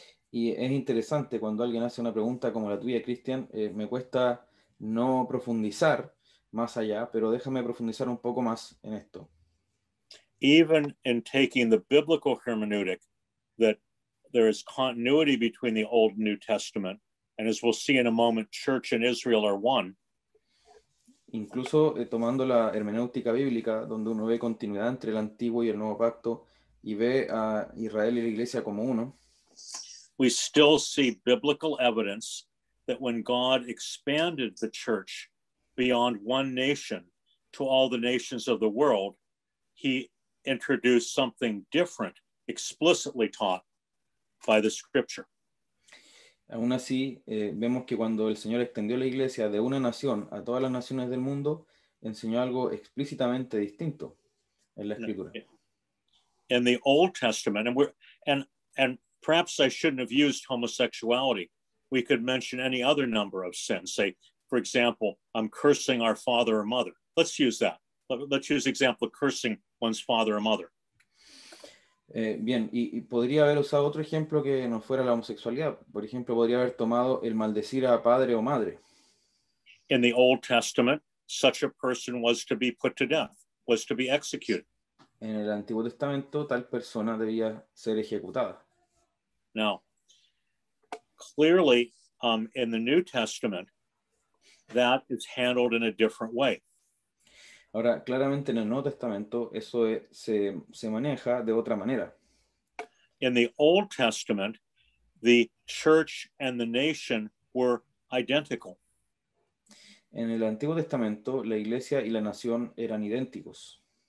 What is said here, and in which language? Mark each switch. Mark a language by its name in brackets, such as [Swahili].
[Spanish] Y es interesante cuando alguien hace una pregunta como la tuya, Christian, me cuesta no profundizar más allá, pero déjame profundizar un poco más en esto. [English] Even in taking the biblical hermeneutic that there is continuity between the Old and New Testament, and as we'll see in a moment, church and Israel are one. [Spanish] Incluso tomando la hermenéutica bíblica, donde uno ve continuidad entre el Antiguo y el Nuevo Pacto, y ve a Israel y la Iglesia como uno. [English] we still see biblical evidence that when God expanded the church beyond one nation to all the nations of the world, he introduced something different, explicitly taught by the scripture. [Spanish] Aún así, vemos que cuando el Señor extendió la iglesia de una nación a todas las naciones del mundo, enseñó algo explícitamente distinto en la escritura. [English] In the Old Testament, and perhaps I shouldn't have used homosexuality. We could mention any other number of sins. Say, for example, I'm cursing our father or mother. Let's use that. Let's use example of cursing one's father or mother. [Spanish] Bien, y podría haber usado otro ejemplo que no fuera la homosexualidad. Por ejemplo, podría haber tomado el maldecir a padre o madre. [English] In the Old Testament, such a person was to be put to death, was to be executed. [Spanish] En el Antiguo Testamento, tal persona debía ser ejecutada. [English] Now, clearly, in the New Testament, that is handled in a different way. [Spanish] Ahora, claramente en el Nuevo Testamento, eso se maneja de otra manera. [English] In the Old Testament, the church and the nation were identical. [Spanish] En el Antiguo Testamento, la iglesia y la nación eran idénticos.